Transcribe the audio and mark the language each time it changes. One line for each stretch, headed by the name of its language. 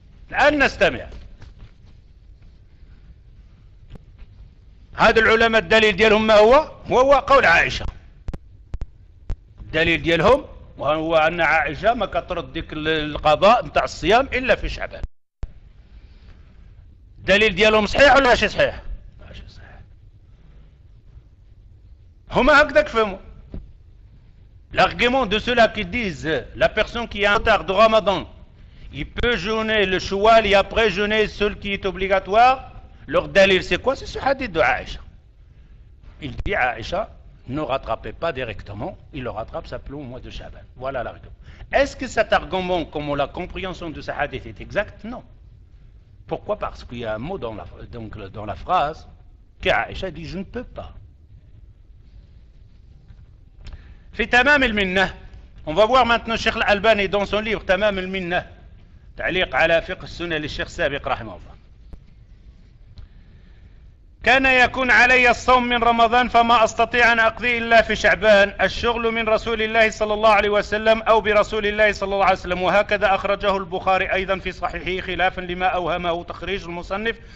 Arabic: الآن نستمع هذا العلماء الدليل ديالهم ما هو؟ هو قول عائشة. الدليل ديالهم هو أن عائشة ما كترد ديك القضاء نتاع الصيام إلا في شعبان. الدليل ديالهم صحيح ولا شي صحيح؟ ماشي صحيح. هما هكذا كفهموا.
French: L'argument de ceux-là qui disent la personne qui a un retard de Ramadan, il peut jeûner le choual et après jeûner celui qui est obligatoire, leur dalil c'est quoi? C'est ce hadith de Aïcha. Il dit à Aïcha, ne rattrapez pas directement, il le rattrape simplement au mois de Shaban. Voilà l'argument. Est-ce que cet argument, comme la compréhension de ce hadith est exact? Non. Pourquoi? Parce qu'il y a un mot dans la phrase que Aïcha dit, je ne peux pas.
Arabic: في تمام المنة
French: on va voir maintenant
Arabic: الشيخ الألباني
French: dans son livre
Arabic: تمام المنة تعليق على فقه السنة للشيخ السابق رحمه الله كان يكون علي الصوم من رمضان فما أستطيع أن أقضي إلا في شعبان الشغل من رسول الله صلى الله عليه وسلم أو برسول الله صلى الله عليه وسلم وهكذا أخرجه البخاري أيضا في صحيحه خلافا لما أوهمه تخريج المصنف